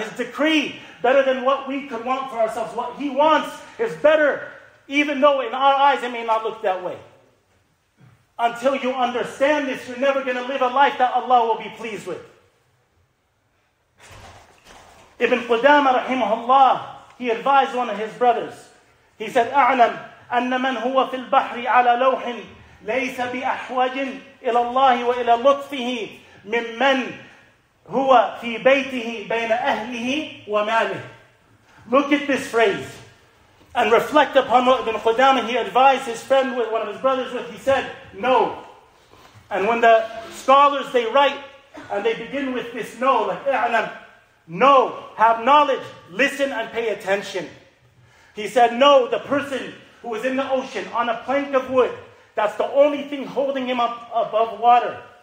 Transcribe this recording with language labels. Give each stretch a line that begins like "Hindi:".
English: His decree better than what we could want for ourselves. What He wants is better. Even though in our eyes it may not look that way. Until you understand this, you're never going to live a life that Allah will be pleased with. Ibn Qudamah rahimahullah, he advised one of his brothers. He said,
Arabic: أَعْلَمْ أَنَّ مَنْ هُوَ فِي الْبَحْرِ عَلَى لَوْحٍ لَيْسَ بِأَحْوَجٍ إِلَى اللَّهِ وَإِلَى لُطْفِهِ مِنْ مَنْ هُوَ فِي بَيْتِهِ بَيْنَ أَهْلِهِ وَمَالِهِ
English: Look at this phrase. And reflect upon what Ibn Qudamah, he advised his friend, with one of his brothers with, he said, no. And when the scholars, they write, and they begin with this no, like, I'lam, no, have knowledge, listen and pay attention. He said, no, the person who is in the ocean, on a plank of wood, that's the only thing holding him up above water.